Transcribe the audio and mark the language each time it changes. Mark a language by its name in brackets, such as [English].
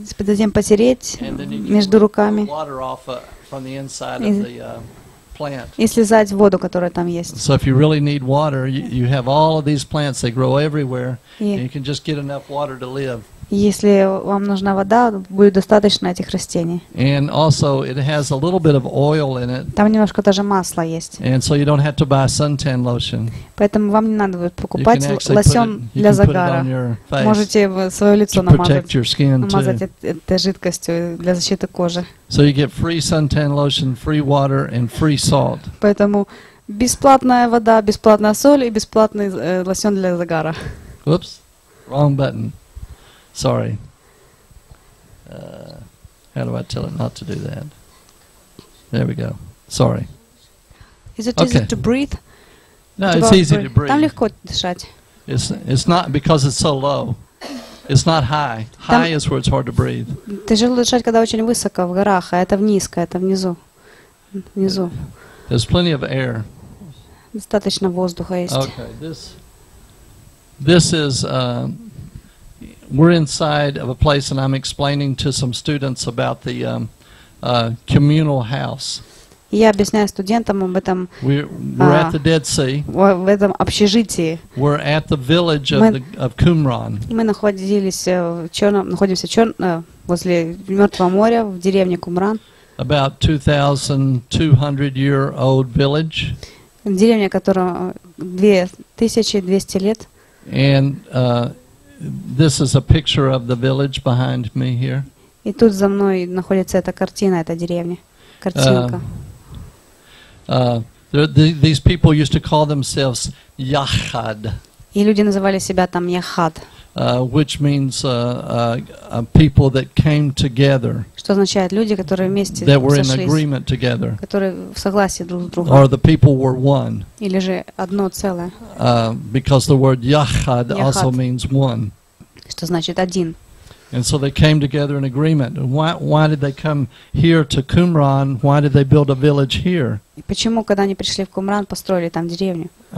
[Russian] Затем потереть между руками. [English] And then you can water off from the inside of the plant. [Russian] И слезать воду, которая там есть. [English] So if you really need water, you have all of these plants, they grow everywhere, and you can just get enough water to live. [Russian] Если вам нужна вода, будет достаточно этих растений. [English] And also it has a little bit of oil in it. [Russian] Там немножко даже масла есть. [English] And so you don't have to buy suntan lotion. [Russian] Поэтому вам не надо будет покупать лосьон для загара. Можете свое лицо намазать этой жидкостью для защиты кожи. [English] So you get free suntan lotion, free water and free salt. [Russian] Поэтому бесплатная вода, бесплатная соль и бесплатный лосьон для загара. [English] Oops. Wrong button. Sorry. How do I tell it not to do that? There we go. Sorry. Is it okay. Easy to breathe? No, it's easy to breathe. [Russian] Там легко дышать. [English] It's not because it's so low. It's not high. High is where it's hard to breathe. [Russian] Тяжело дышать, когда очень высоко в горах, а это низко, это внизу. Внизу. [English] There's plenty of air. [Russian] Достаточно воздуха есть. [English] Okay. This is we're inside of a place, and I'm explaining to some students about the communal house. [Russian] Я объясняю студентам об этом. [English] We're at the Dead Sea. [Russian] В этом общежитии. [English] We're at the village of Qumran. [Russian] Мы находимся возле Мертвого моря в деревне Кумран. [English] About 2,200-year-old village. [Russian] Деревня, которая 2,200 лет. [English] And this is a picture of the village behind me here. [Russian] И тут за мной находится эта картина, эта деревня. Картинка. [English] These people used to call themselves Yachad. [Russian] И люди называли себя там Яхад. [English] Which means people that came together. [Russian] Что означает люди, которые вместе сошлись. [English] That were in agreement together. [Russian] Которые в согласии друг с другом. [English] Or the people were one. [Russian] Или же одно целое. [English] Because the word Yachad also means one. [Russian] Что значит один. [English] And so they came together in agreement. And why did they come here to Qumran? Why did they build a village here? [Russian] Почему, когда они пришли в Кумран, построили там деревню?